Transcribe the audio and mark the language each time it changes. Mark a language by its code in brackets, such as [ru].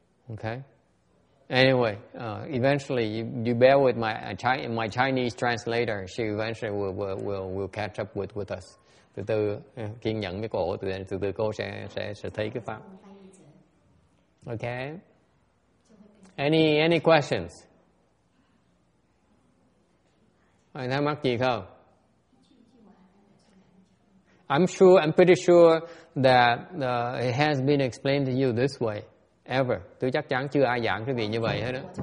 [en] Okay. Anyway, eventually, you bear with my Chinese translator. She eventually will catch up with us. [vi] Từ từ kiên nhẫn với cô, từ từ cô sẽ thấy cái pháp. [en] Okay. Any questions? [vi] Anh thắc mắc gì không? [en] I'm pretty sure that it has been explained to you this way. Ever. [vi] Tôi chắc chắn chưa ai giảng cái gì như vậy hết đó.